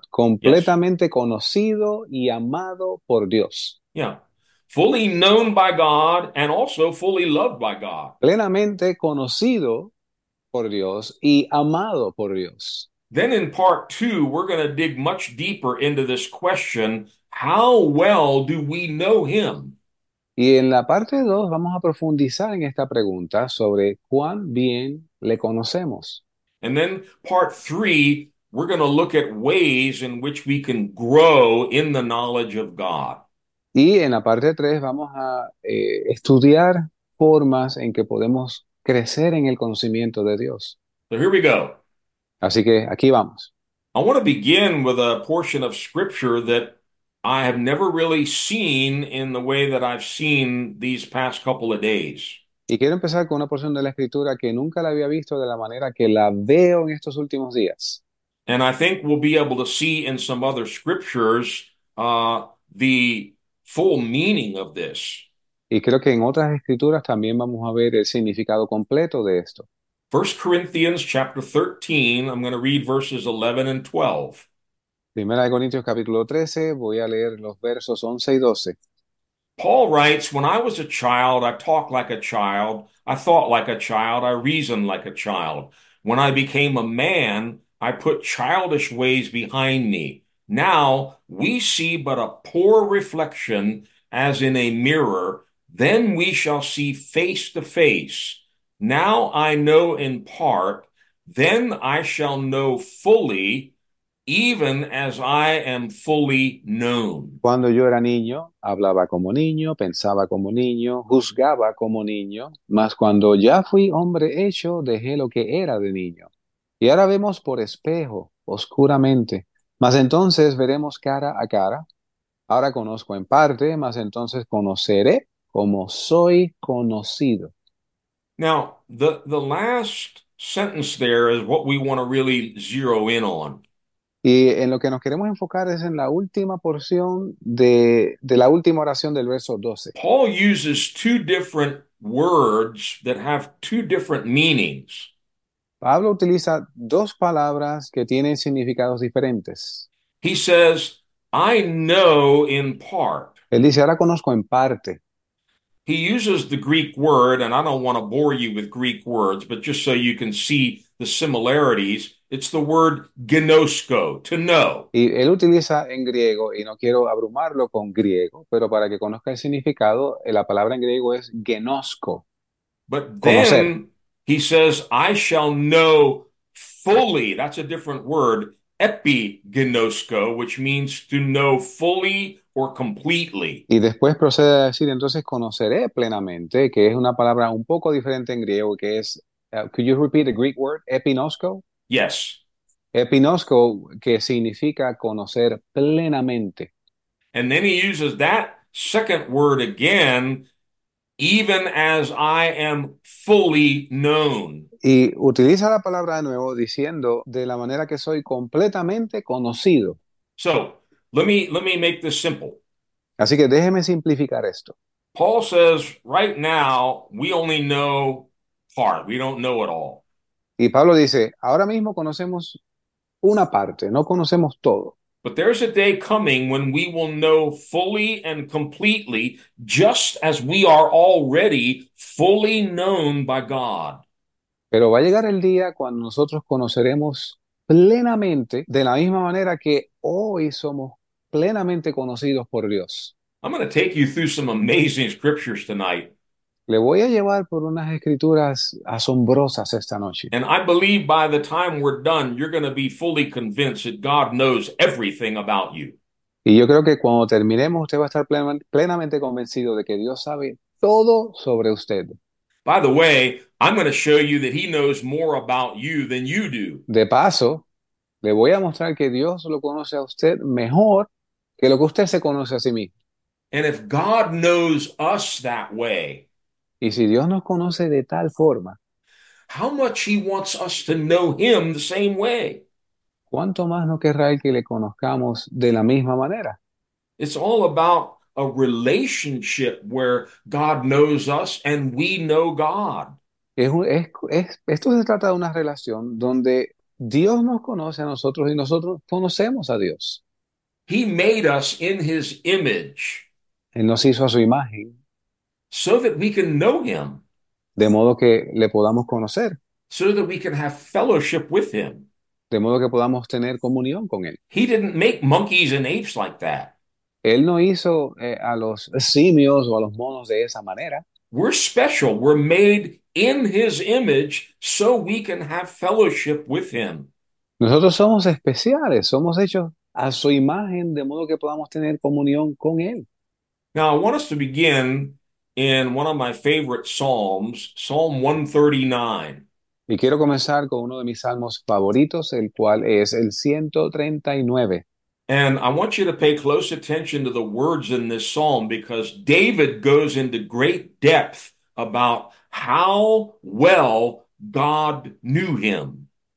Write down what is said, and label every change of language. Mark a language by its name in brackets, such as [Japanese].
[English] Yes. [Spanish] Completamente conocido y amado por Dios. [English] Yeah. Fully known by God and also fully loved by God. [Spanish] Plenamente conocido por Dios y amado por Dios. [English] Then in part two, we're going to dig much deeper into this question, how well do we know him? [Spanish] Y en la parte 2 vamos a profundizar en esta pregunta sobre cuán bien le conocemos. [English] And then part three, we're going to look at ways in which we can grow in the knowledge of God. [Spanish] Y en la parte 3 vamos a estudiar formas en que podemos crecer en el conocimiento de Dios. [English] So here we go. [Spanish] Así que aquí vamos. [English] I want to begin with a portion of scripture that I have never really seen in the way that I've seen these past couple of days. [Spanish] Y quiero empezar con una porción de la escritura que nunca la había visto de la manera que la veo en estos últimos días. [English] And I think we'll be able to see in some other scriptures the full meaning of this. [Spanish] Y creo que en otras escrituras también vamos a ver el significado completo de esto. [English] 1 Corinthians chapter 13, I'm going to read verses 11 and 12. [Spanish] Primera de Corintios capítulo 13, voy a leer los versos 11 y 12. [English] Paul writes, "When I was a child, I talked like a child, I thought like a child, I reasoned like a child. When I became a man, I put childish ways behind me. Now we see but a poor reflection as in a mirror. Then we shall see face to face. Now I know in part, then I shall know fully, even as I am fully known. [Spanish] Cuando yo era niño, hablaba como niño, pensaba como niño, juzgaba como niño, mas cuando ya fui hombre hecho, dejé lo que era de niño. Y ahora vemos por espejo, oscuramente, mas entonces veremos cara a cara. Ahora conozco en parte, mas entonces conoceré como soy conocido. [English] Now, the last sentence there is what we want to really zero in on. [Spanish] Y en lo que nos queremos enfocar es en la última porción de la última oración del verso 12. [English] Paul uses two different words that have two different meanings. [Spanish] Pablo utiliza dos palabras que tienen significados diferentes. [English] He says, I know in part. [Spanish] Él dice, ahora conozco en parte. [English] He uses the Greek word, and I don't want to bore you with Greek words, but just so you can see the similarities, it's the word ginosko, to know. [Spanish] Y él utiliza en griego, y no quiero abrumarlo con griego, pero para que conozca el significado, la palabra en griego es genosco, [English] But [Spanish] conocer. [English] then he says, I shall know fully. That's a different word, epignosko, which means to know fully or completely. [Spanish] Y después procede a decir, entonces conoceré plenamente, que es una palabra un poco diferente en griego, que es, [English] could you repeat the Greek word, [Spanish] epinosco? [English] Yes. [Spanish] Epinosco, que significa conocer plenamente. [English] And then he uses that second word again, even as I am fully known. [Spanish] Y utiliza la palabra de nuevo diciendo de la manera que soy completamente conocido. [English] So, let me make this simple. [Spanish] Así que déjeme simplificar esto. [English] Paul says, right now, we only know part. We don't know it all. [Spanish] Y Pablo dice, ahora mismo conocemos una parte, no conocemos todo. [English] But there's a day coming when we will know fully and completely, just as we are already fully known by God. [Spanish] Pero va a llegar el día cuando nosotros conoceremos plenamente, de la misma manera que hoy somos plenamente conocidos por Dios. [English] I'm going to take you through some amazing scriptures tonight. [Spanish] Le voy a llevar por unas escrituras asombrosas esta noche. [English] And I believe by the time we're done, you're going to be fully convinced that God knows everything about you. [Spanish] Y yo creo que cuando terminemos, usted va a estar plenamente convencido de que Dios sabe todo sobre usted. [English] By the way, I'm going to show you that he knows more about you than you do. [Spanish] De paso, le voy a mostrar que Dios lo conoce a usted mejor que lo que usted se conoce a sí mismo. [English] And if God knows us that way, [Spanish] Y si Dios nos conoce de tal forma, [English] how much he wants us to know him the same way. [Spanish] ¿cuánto más no querrá él que le conozcamos de la misma manera? [English] It's all about a relationship where God knows us and we know God. [Spanish] Esto se trata de una relación donde Dios nos conoce a nosotros y nosotros conocemos a Dios. [English] He made us in his image [Spanish] Él nos hizo a su imagen, [English] so that we can know him. [Spanish] de modo que le podamos conocer. [English] So that we can have fellowship with him. [Spanish] De modo que podamos tener comunión con él. [English] He didn't make monkeys and apes like that. [Spanish] Él no hizo a los simios o a los monos de esa manera. [English] We're special. We're made in his image so we can have fellowship with him. [Spanish] Nosotros somos especiales, somos hechos a su imagen, de modo que podamos tener comunión con él. [English] Now, I want us to begin in one of my favorite psalms, Psalm 139. [Spanish] Y quiero comenzar con uno de mis salmos favoritos, el cual es el 139. [English] And I want you to pay close attention to the words in this psalm because David goes into great depth about how well God knew him.